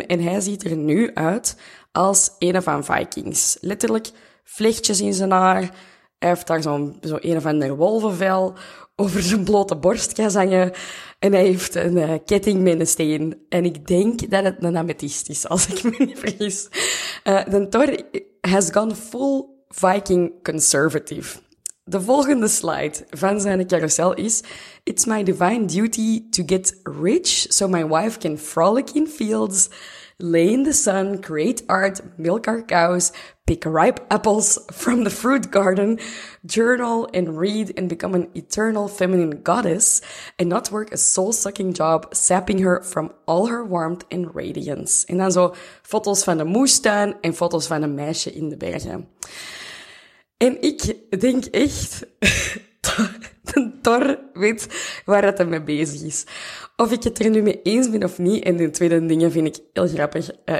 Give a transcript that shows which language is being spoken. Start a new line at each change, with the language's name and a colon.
Dutch: En hij ziet er nu uit als een van Vikings. Letterlijk, vlechtjes in zijn haar. Hij heeft daar zo een of ander wolvenvel over zijn blote borst kan zingen. En hij heeft een ketting met een steen. En ik denk dat het een amethyst is, als ik me niet vergis.
English: De Thor has gone full Viking conservative.
Dutch: De volgende slide van zijn carousel is:
English: It's my divine duty to get rich so my wife can frolic in fields, lay in the sun, create art, milk our cows, pick ripe apples from the fruit garden, journal and read and become an eternal feminine goddess and not work a soul-sucking job, sapping her from all her warmth and radiance.
Dutch: En dan zo foto's van een moestuin en foto's van een meisje in de bergen. En ik denk echt, de Thor weet waar het mee bezig is. Of ik het er nu mee eens ben of niet, en de tweede dingen vind ik heel grappig.